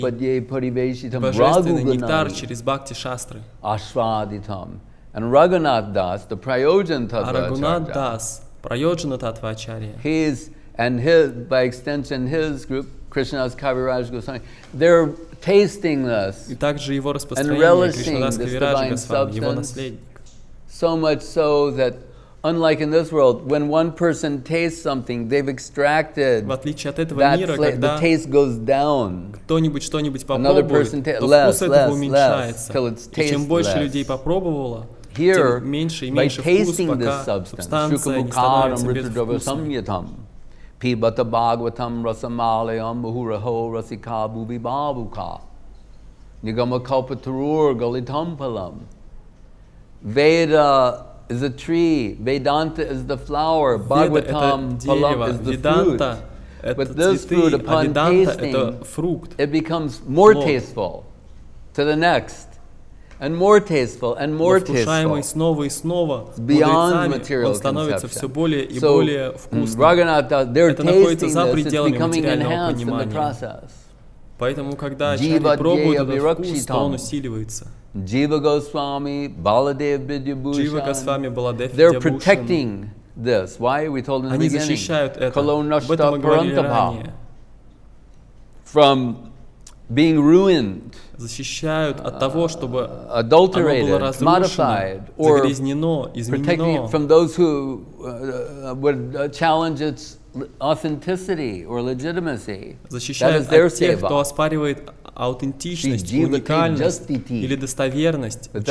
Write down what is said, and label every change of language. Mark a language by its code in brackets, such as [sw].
[ru] божественный нектар через Бхакти Шастры. [en] Ашвадитам. And Raghunath Das, the Prayojana Tattva Acharya. Raghunath Das, Prayojana Tattva Acharya. By extension, his group, Krishnadas Kaviraj Goswami, they're tasting this. [ru] И также его распространение, Кришнадас Кавираджа Госвами, его наследник. [en] So much so that, unlike in this world, when one person tastes something, they've extracted that the taste goes down. Another person tastes less, till it's tasteless. Here, by tasting this substance, [sa] Shukamukharam Ritradravasamyatam, Pibata Bhagavatam Rasamalayam Bahuraho Rasika Bhubibhavuka, Nigamakalpaturur Galitampalam, [en] Veda is a tree, Vedanta is the flower, Bhagavatam phalam is the fruit. But this fruit, upon tasting, it becomes more tasteful to the next, and more tasteful, and more tasteful, beyond material conception. So, Raghunath Das, they're tasting this, it's becoming enhanced in the process. [ru] Поэтому, когда человек пробует этот вкус, то он усиливается. [en] Jiva Goswami, Baladev Vidyabhushan, they're protecting this. Why? We told in the beginning, Kalonashta Parantapa, from being ruined, adulterated, modified, or protecting it from those who would challenge its authenticity or legitimacy. That is their seva. [ru] Аутентичность, уникальность или достоверность